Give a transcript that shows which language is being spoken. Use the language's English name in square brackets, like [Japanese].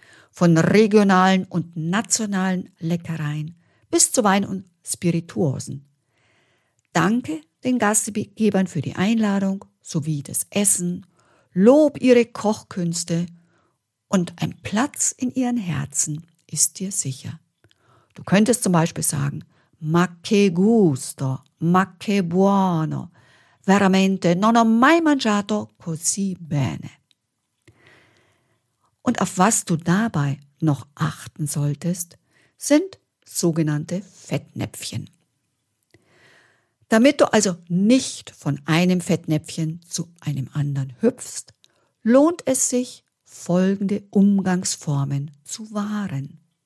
[German] Von regionalen und nationalen Leckereien bis zu Wein und Spirituosen. Danke den Gastgebern für die Einladung sowie das Essen, Lob ihre Kochkünste. Und ein Platz in ihren Herzen ist dir sicher. Du könntest zum Beispiel sagen, [Italian] ma che gusto, ma che buono, veramente non ho mai mangiato così bene. [German] Und auf was du dabei noch achten solltest, sind sogenannte Fettnäpfchen. Damit du also nicht von einem Fettnäpfchen zu einem anderen hüpfst, lohnt es sich, folgende Umgangsformen zu wahren.